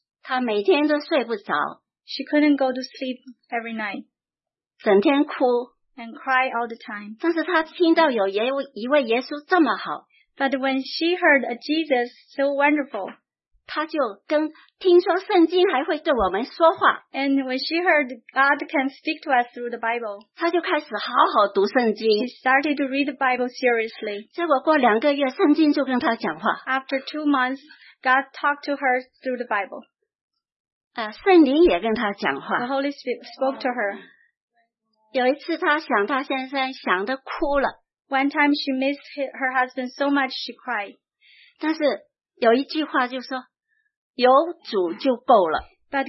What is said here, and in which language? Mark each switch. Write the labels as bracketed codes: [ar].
[zh] 她每天都睡不着。 [en] She couldn't go to sleep every night. [zh] 整天哭。 [en] And cry all the time. [zh] 但是她听到有一位耶稣这么好。 [en] But when she heard a Jesus so wonderful, [zh] 他就听说圣经还会对我们说话。 [en] And when she heard God can speak to us through the Bible, [zh] 他就开始好好读圣经。 [en] She started to read the Bible seriously. [zh] 结果过2个月，圣经就跟他讲话。 [en] After 2 months, God talked to her through the Bible. [zh] 圣灵也跟他讲话。 [en] The Holy Spirit spoke to her. [zh] 有一次他想他先生，想得哭了。 [en] One time she missed her husband so much she cried. [zh] 但是有一句话就说， 有主就够了。 [en] But